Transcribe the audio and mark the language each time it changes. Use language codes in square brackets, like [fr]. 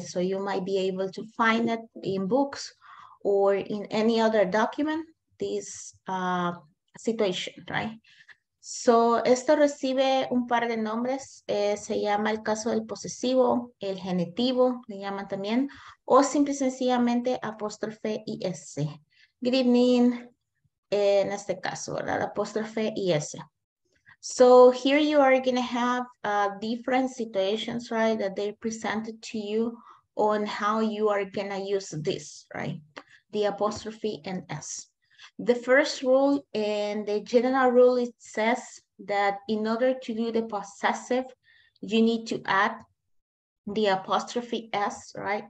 [en] So you might be able to find it in books or in any other document, this situation, right? [es] So esto recibe un par de nombres. Se llama el caso del posesivo, el genitivo, le llaman también, o simple y sencillamente apóstrofe y S. [en] Good evening. [es] En este caso, ¿verdad? Apóstrofe y S. [en] So here you are going to have different situations, right? That they presented to you on how you are going to use this, right? The apostrophe and S. The first rule and the general rule, it says that in order to do the possessive, you need to add the apostrophe S, right?